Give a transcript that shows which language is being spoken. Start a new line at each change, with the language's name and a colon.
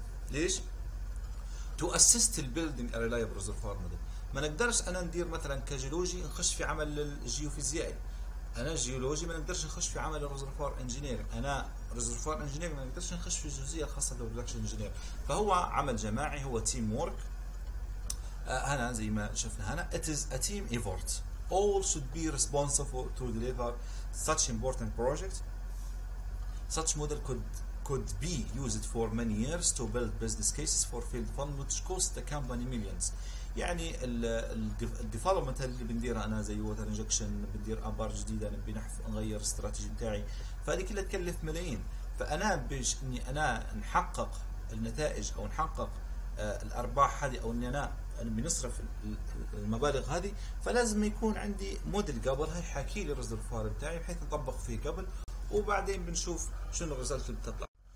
English: ليش؟ To assist البيلدينج a reliable reservoir model.
Arabic: ما نقدرش انا ندير مثلا كجيولوجي نخش في عمل الجيوفيزيائي انا جيولوجي ما نقدرش نخش في عمل الريزرفوار انجينير انا ريزرفوار انجينير ما نقدرش نخش في جزئيه خاصه بالبرودكشن انجينير فهو عمل جماعي هو تيم وورك. هنا زي ما شفنا هنا
English: it is a team effort all should be responsible to deliver such important project such model could be used for many years to build business cases for field fund which cost the company millions.
Arabic: يعني ال development اللي بنديرها أنا زي water injection بندير أبار جديدة بنحف نغير استراتيجي بتاعي فهذه كلها تكلف ملايين فأنا بش إني أنا نحقق النتائج أو نحقق الأرباح هذه أو إني أنا أنا بنصرف المبالغ هذه فلازم يكون عندي موديل قبل هاي حاكي لي الريزرفوار بتاعي بحيث نطبق فيه قبل وبعدين بنشوف شنو الريزلت اللي بتطلع.